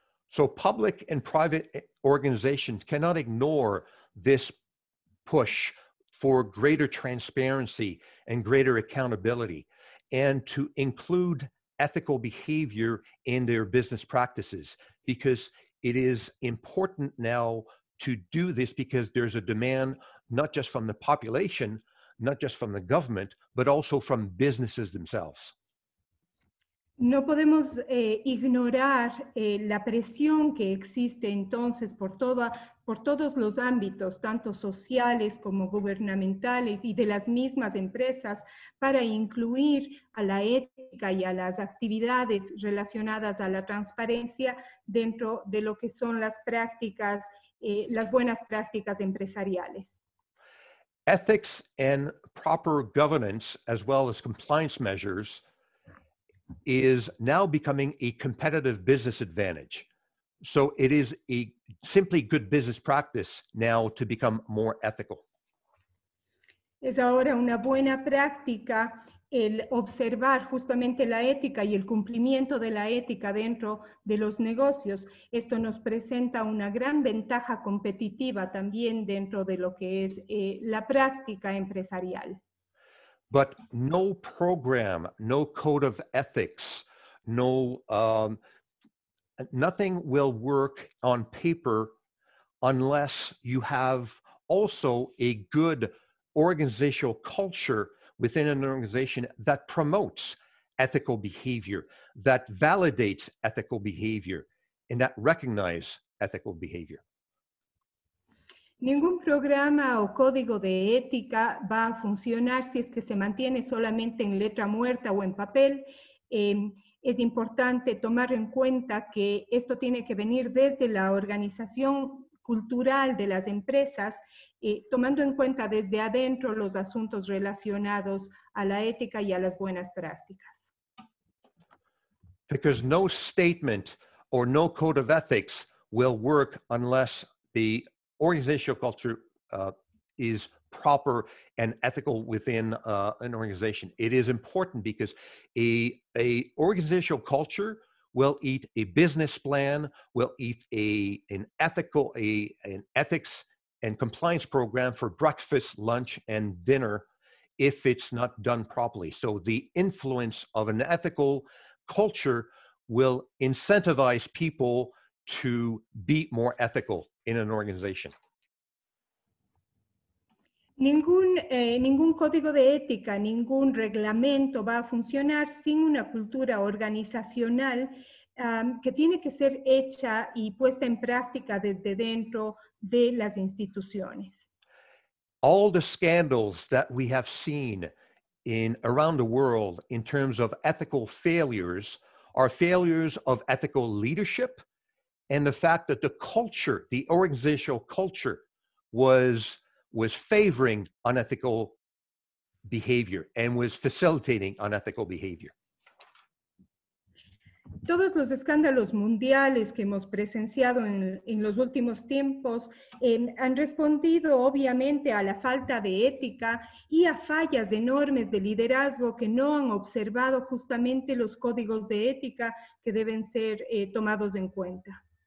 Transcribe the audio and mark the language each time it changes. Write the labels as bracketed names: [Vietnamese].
[English] So public and private organizations cannot ignore this push for greater transparency and greater accountability, and to include ethical behavior in their business practices, because it is important now to do this because there's a demand, not just from the population, not just from the government, but also from businesses themselves. [Spanish] No podemos ignorar la presión que existe entonces por todos los ámbitos, tanto sociales como gubernamentales y de las mismas empresas, para incluir a la ética y a las actividades relacionadas a la transparencia dentro de lo que son las prácticas, las buenas prácticas empresariales. [English] Ethics and proper governance, as well as compliance measures, is now becoming a competitive business advantage. So it is a simply good business practice now to become more ethical. [Spanish] Es ahora una buena práctica el observar justamente la ética y el cumplimiento de la ética dentro de los negocios. Esto nos presenta una gran ventaja competitiva también dentro de lo que es la práctica empresarial. [English] But no program, no code of ethics, no nothing will work on paper unless you have also a good organizational culture within an organization that promotes ethical behavior, that validates ethical behavior, and that recognizes ethical behavior. [Spanish] Ningún programa o código de ética va a funcionar si es que se mantiene solamente en letra muerta o en papel. Es importante tomar en cuenta que esto tiene que venir desde la organización cultural de las empresas, tomando en cuenta desde adentro los asuntos relacionados a la ética y a las buenas prácticas. [English] Because no statement or no code of ethics will work unless the organizational culture is proper and ethical within an organization. It is important because a organizational culture will eat a business plan, will eat an ethics and compliance program for breakfast, lunch, and dinner if it's not done properly. So the influence of an ethical culture will incentivize people to be more ethical in an organization. [Spanish] Ningún código de ética, ningún reglamento va a funcionar sin una cultura organizacional que tiene que ser hecha y puesta en práctica desde dentro de las instituciones. [English] All the scandals that we have seen around the world in terms of ethical failures are failures of ethical leadership and the fact that the culture, the organizational culture, was favoring unethical behavior and was facilitating unethical behavior. [Spanish] Todos los escándalos mundiales que hemos presenciado en los últimos tiempos han respondido obviamente a la falta de ética y a fallas enormes de liderazgo que no han observado justamente los códigos de ética que deben ser tomados en cuenta.